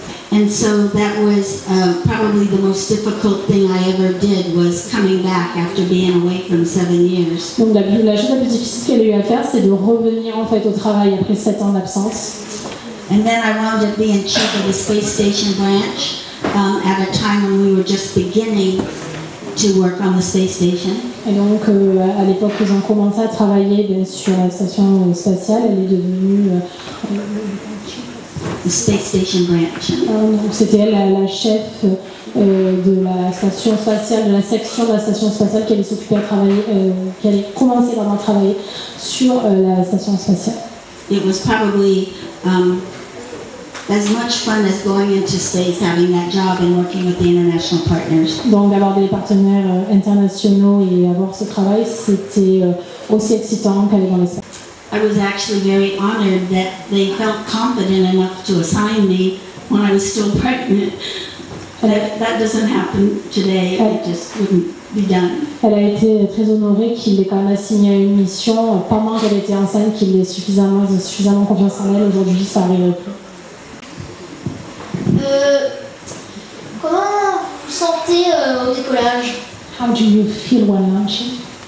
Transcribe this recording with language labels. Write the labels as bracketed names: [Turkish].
[English] And so that was probably the most difficult thing I ever did was coming back after being away from 7 years. [French] Donc la chose la plus difficile qu'elle a eu à faire, c'est de revenir en fait au travail après 7 ans d'absence. [English] And then I wound up being chief of the space station branch at a time when we were just beginning to work on the space station. [French] Et donc à l'époque que j'ai commencé à travailler sur la station spatiale, elle est devenue [English] the space station branch. [French] Donc c'était elle la chef de la station spatiale, de la section de la station spatiale qui allait s'occuper à travailler, qui allait commencer vraiment à travailler sur la station spatiale. [English] It was probably as much fun as going into space, having that job and working with the international partners. [French] Donc d'avoir des partenaires internationaux et avoir ce travail, c'était aussi excitant qu'aller dans l'espace. [English] I was actually very honored that they felt confident enough to assign me when I was still pregnant. That doesn't happen today. It just wouldn't be done. [French] Elle a été très honorée qu'il ait quand même assigné une mission pendant qu'elle était enceinte, qu'il ait suffisamment confiance en elle. Aujourd'hui, ça arrive plus. Comment vous sentez au décollage? [English] How do you feel when launching?